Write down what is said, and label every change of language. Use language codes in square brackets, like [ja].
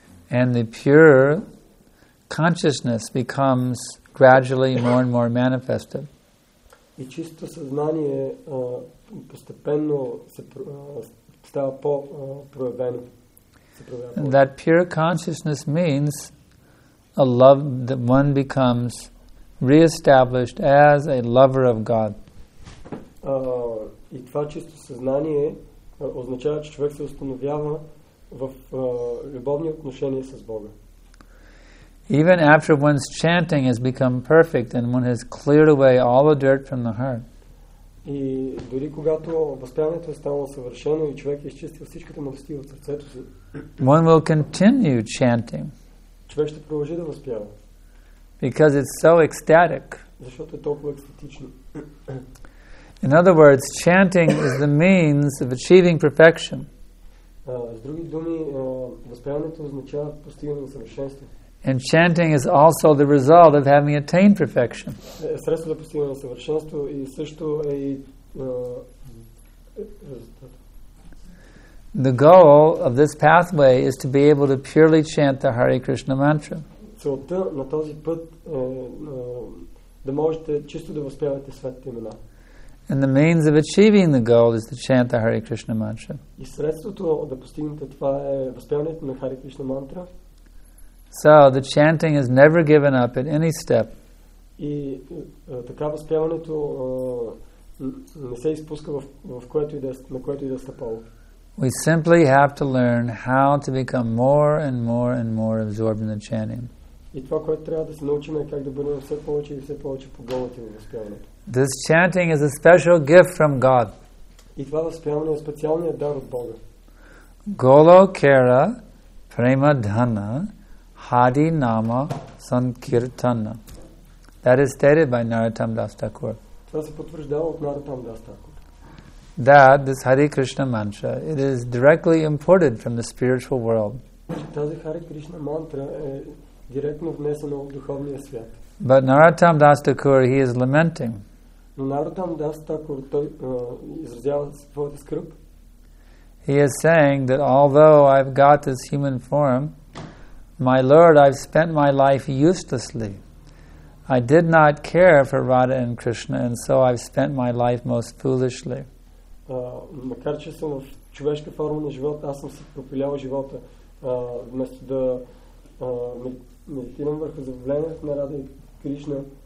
[en] And the pure consciousness becomes gradually more and more manifested. [bg] И чисто съзнание постепенно се става по-проявено. [en] That pure consciousness means a love that one becomes re-established as a lover of God. [bg] И това чисто съзнание означава, че човек се установява в любовни отношения с Бога. [en] Even after one's chanting has become perfect and one has cleared away all the dirt from the heart. [bg] И дори когато възпяването е станало съвършено и човек е изчистил всичката мръсти от сърцето си. [en] One will continue chanting. [bg] Човек ще продължи да възпява. [en] Because it's so ecstatic. [bg] Защото е толкова екстатично. [en] In other words, chanting is the means of achieving perfection. [bg] С други думи, възпяването означава постигане на съвършенство. [en] And chanting is also the result of having attained perfection. [bg] Средство за постигане на съвършенство и също е и резултат. [en] The goal of this pathway is to be able to purely chant the Hare Krishna mantra. [bg] Целта на този път е да можете чисто да възпявате светите имена. [en] And the means of achieving the goal is to chant the Hare Krishna mantra. [bg] И средството да постигнете това е възпяването на Hare Krishna mantra. [en] So the chanting is never given up at any step. [bg] И така възпяването не се изпуска в което и да на което и да стъпало. [en] We simply have to learn how to become more and more and more absorbed in the chanting. [bg] И това, което трябва да се научим, е как да бъдем все повече и все повече поглъбнати в възпяването. [en] This chanting is a special gift from God. [bg] И това възпяване е специалният дар от Бога. [bn] Голокера према дхана Hadi Nama Sankirtana. [en] That is stated by Narottam Das Thakur. [bg] Това се потвърждава от Narottam Das Thakur. [en] That this Hare Krishna mantra, it is directly imported from the spiritual world. [bg] Тази Hare Krishna mantra е директно внесена от духовния свят. [en] But Narottam Das Thakur, he is lamenting. [bg] Но Narottam Das Thakur, той изразява своята скръб. [en] He is saying that although I've got this human form, my Lord, I've spent my life uselessly. I did not care for Radha and Krishna, and so I've spent my life most foolishly. [bg] Макар че съм в човешка форма на живот, аз съм се пропилял живота. Вместо да медитирам върху забавлението на Радха и Кришна.